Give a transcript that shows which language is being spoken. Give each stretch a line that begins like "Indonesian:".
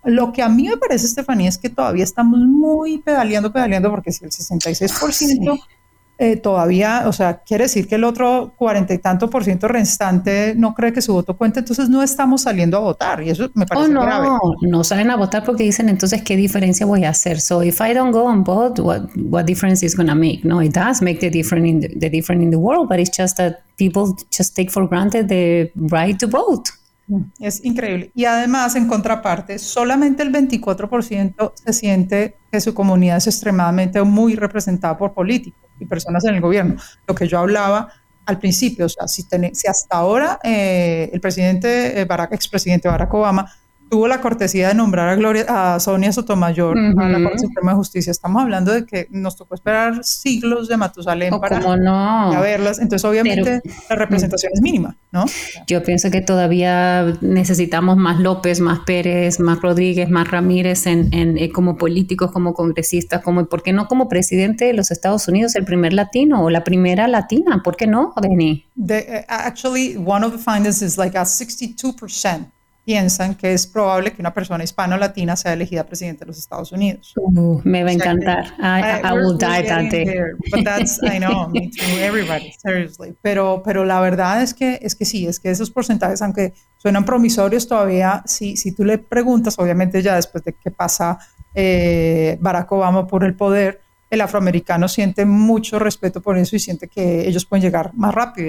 Spanish: Lo que a mí me parece, Estefanía, es que todavía estamos muy pedaleando, porque si el 66% todavía, o sea, quiere decir que el otro 40% restante no cree que su voto cuente, entonces no estamos saliendo a votar y eso me parece grave. No salen a votar porque dicen, entonces, ¿qué diferencia voy a hacer?
English: So if I don't go and vote, what difference is going to make? No, it does make the difference in the world, but it's just that people just take for granted the right to vote.
Spanish: Es increíble. Y además, en contraparte, solamente el 24% se siente que su comunidad es extremadamente muy representada por políticos y personas en el gobierno. Lo que yo hablaba al principio, o sea, si hasta ahora el presidente expresidente Barack Obama tuvo la cortesía de nombrar a Sonia Sotomayor a la Corte Suprema de Justicia, estamos hablando de que nos tocó esperar siglos de Matusalén para verlas. Entonces, obviamente, la representación es mínima, ¿no? Yo pienso que todavía necesitamos más López, más Pérez, más Rodríguez, más Ramírez en como políticos, como congresistas, como, ¿por qué no como presidente de los Estados Unidos, el primer latino o la primera latina? ¿Por qué no, Deni?
English: Actually, one of the findings is like a 62%.
Spanish: Piensan que es probable que una persona hispano-latina sea elegida presidente de los Estados Unidos. Me va a encantar.
English: I will die that day. But that's, I know, me too, everybody, seriously.
Spanish: Pero la verdad es que sí, es que esos porcentajes, aunque suenan promisorios todavía, si tú le preguntas, obviamente ya después de que pasa Barack Obama por el poder, el afroamericano siente mucho respeto por eso y siente que ellos pueden llegar más rápido.